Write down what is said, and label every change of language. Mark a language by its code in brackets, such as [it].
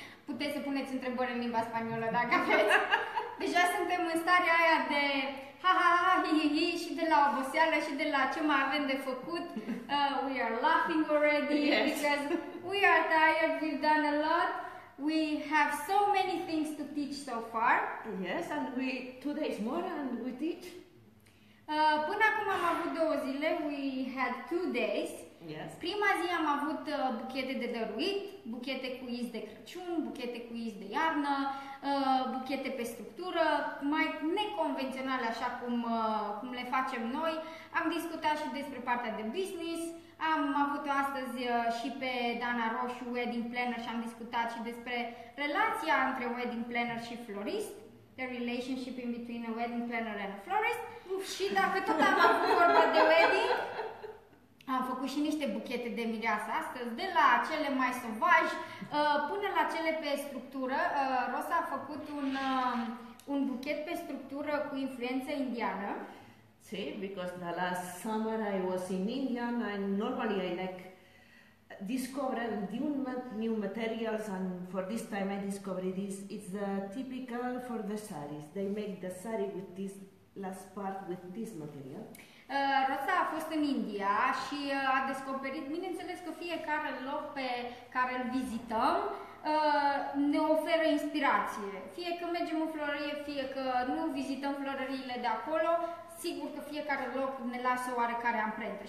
[ro] Puteți să puneți întrebări în limba spaniolă, dacă aveți. Deja suntem în starea aia de ha-ha-ha, hi-hi-hi, și de la oboseală și de la ce mai avem de făcut. [en] We are laughing already, yes. Because we are tired, we've done a lot. We have so many things to teach so far. Yes, and we today's more and we teach. [ro] Până acum am avut două zile, [en] we had two days. Yes. [ro] Prima zi am avut buchete de dăruit, buchete cu iz de Crăciun, buchete cu iz de iarnă, buchete pe structură, mai neconvenționale așa cum le facem noi. Am discutat și despre partea de business. Am avut-o astăzi și pe Dana Roșu, wedding planner, și am discutat și despre relația între wedding planner și florist, [en] the relationship in between a wedding planner and a florist. [ro] Uf. Și dacă tot am avut vorba de wedding, am făcut și niște buchete de mireasă astăzi, de la cele mai sauvage până la cele pe structură. Rosa a făcut un buchet pe structură cu influență indiană. [en] See, because the last summer I was in India, and normally I like discovering new materials, and for this time I discovered this. It's the typical for the saris. They make the sari with this last part with this material. [ro] Rosa a fost în India și a descoperit, bineînțeles că fiecare loc pe care îl vizităm ne oferă inspirație. Fie că mergem în florărie, fie că nu vizităm florăriile de acolo, sigur că fiecare loc ne lasă oarecare amprentă.